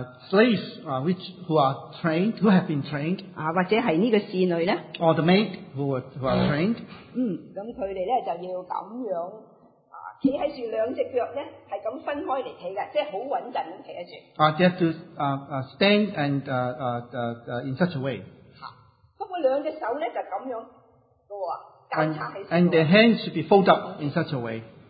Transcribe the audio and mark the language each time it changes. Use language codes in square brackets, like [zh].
[en] Slaves who are trained, who have been trained, [zh] 或者是这个侍女呢? [en] Or the maid who are trained, [zh] 他们就要这样, 站在树, 两只脚呢, 是这样分开来站的, 即是很稳定地站着, [en] they have to stand and in such a way. [zh] 他们两只手呢就这样, 哦, [en] and their hands should be folded up in such a way.